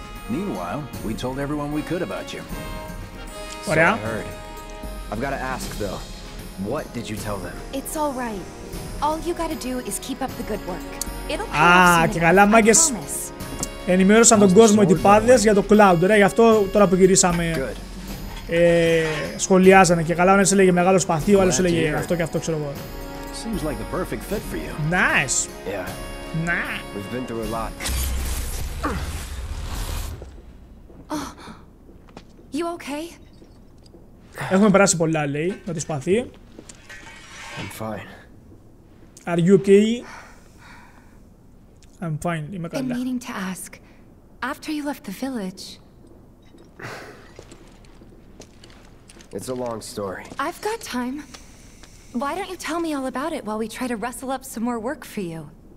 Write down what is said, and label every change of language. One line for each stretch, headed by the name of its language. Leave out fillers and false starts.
English: Meanwhile, we told everyone we could about you. What so I heard. I've got to ask though. What did you tell them? It's all right. All you got to do is keep up the good work. It'll pay off.
Greek: Ah, καλά μάγκες. Ενημέρωσαν τον κόσμο οι τυπάδες για το Cloud, ρε, γι' αυτό τώρα που γυρίσαμε σχολιάζανε και καλά, ο ένας έλεγε μεγάλο σπαθί, ο άλλος έλεγε αυτό και αυτό, ξέρω εγώ.
English: Seems like the perfect fit for you. Nice. Yeah. Nah. We've been through a lot. Oh, you okay?
Greek: Έχουμε περάσει πολλά, λέει, με τη σπαθή.
English: I'm fine. Are you okay? I'm fine,
Greek: είμαι καλά.
English: I'm meaning to ask, after you left the village... It's a long story. I've got time. Why don't you tell me all about it while we try to wrestle up some more work for you?